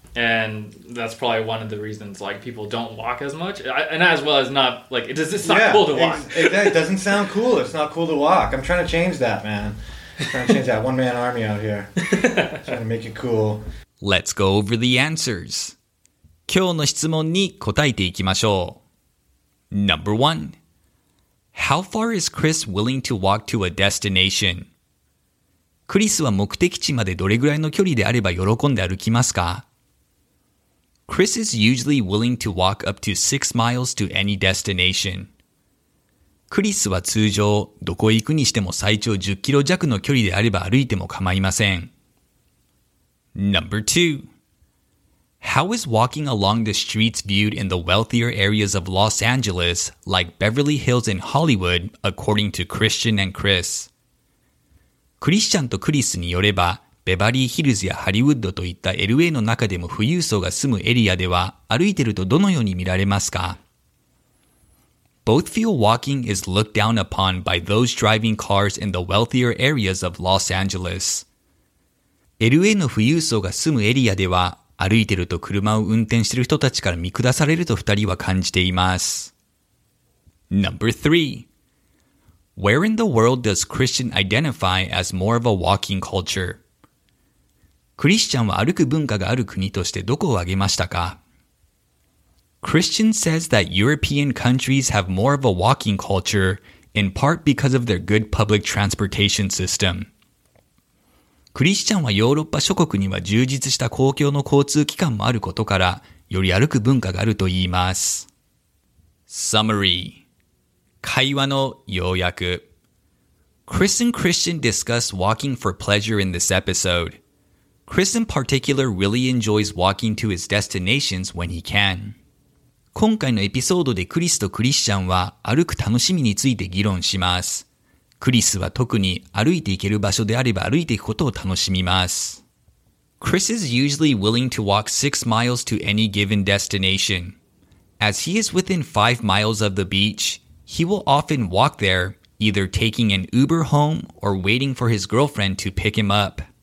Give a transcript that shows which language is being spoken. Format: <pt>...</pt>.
<en>And that's probably one of the reasons, like, people don't walk as much. And as well as not, like, it's not cool to walk. It doesn't sound cool. It's not cool to walk. I'm trying to change that, man. I'm trying to change that. One man army out here. Trying to make it cool. Let's go over the answers.</en> <ja>今日の質問に答えていきましょう。</ja> <en>Number one. How far is Chris willing to walk to a destination?</en> <ja>クリスは目的地までどれぐらいの距離であれば喜んで歩きますか?</ja> <en>Chris is usually willing to walk up to 6 miles to any destination.</en> <ja>クリスは通常どこへ行くにしても最長10キロ弱の距離であれば歩いても構いません。</ja> <en>Number 2. How is walking along the streets viewed in the wealthier areas of Los Angeles, like Beverly Hills and Hollywood, according to Christian and Chris?</en> <ja>クリスチャンとクリスによれば、ベバリーヒルズやハリウッドといった LA の中でも富裕層が住むエリアでは歩いてるとどのように見られますか?</ja> <en>Both feel walking is looked down upon by those driving cars in the wealthier areas of Los Angeles.</en> <ja>LA の富裕層が住むエリアでは歩いてると車を運転している人たちから見下されると二人は感じています。</ja> <en>Number 3. Where in the world does Christian identify as more of a walking culture?</en> <ja>クリスチャンは歩く文化がある国としてどこを挙げましたか?</ja> <en>Christian says that European countries have more of a walking culture, in part because of their good public transportation system.</en> <ja>クリスチャンはヨーロッパ諸国には充実した公共の交通機関もあることから、より歩く文化があると言います。</ja> <en>Summary</en> <ja>会話の要約</ja> <en>Chris and Christian discuss walking for pleasure in this episode. Chris in particular really enjoys walking to his destinations when he can.</en> <ja>今回のエピソードでクリスとクリスチャンは歩く楽しみについて議論します。クリスは特に歩いて行ける場所であれば歩いていくことを楽しみます。</ja> <en>Chris is usually willing to walk 6 miles to any given destination. As he is within 5 miles of the beach, he will often walk there, either taking an Uber home or waiting for his girlfriend to pick him up.</en>